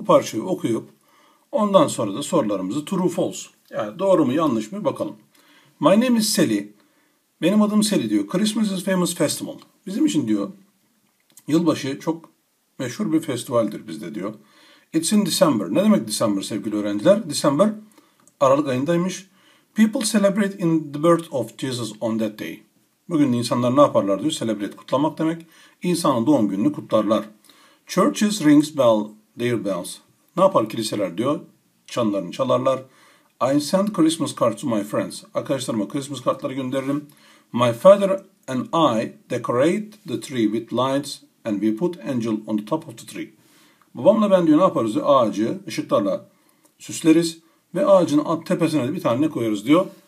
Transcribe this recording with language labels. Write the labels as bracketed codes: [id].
[tr] Bu parçayı okuyup ondan sonra da sorularımızı true false. Yani doğru mu yanlış mı bakalım. [en] My name is Sally. [tr] Benim adım Sally diyor. [en] Christmas is a famous festival. [tr] Bizim için diyor yılbaşı çok meşhur bir festivaldir bizde diyor. [en] It's in December. [tr] Ne demek December sevgili öğrenciler? December Aralık ayındaymış. [en] People celebrate in the birth of Jesus on that day. [tr] Bugün insanlar ne yaparlar diyor. Celebrate kutlamak demek. İnsanın doğum gününü kutlarlar. [en] Churches rings bell their bells. [tr] Ne yapar kiliseler diyor. Çanlarını çalarlar. [en] I send Christmas cards to my friends. [tr] Arkadaşlarıma Christmas kartları gönderirim. [en] My father and I decorate the tree with lights and we put angel on the top of the tree. [tr] Babamla ben diyor ne yaparız diyor. Ağacı ışıklarla süsleriz ve ağacın tepesine de bir tane koyarız diyor.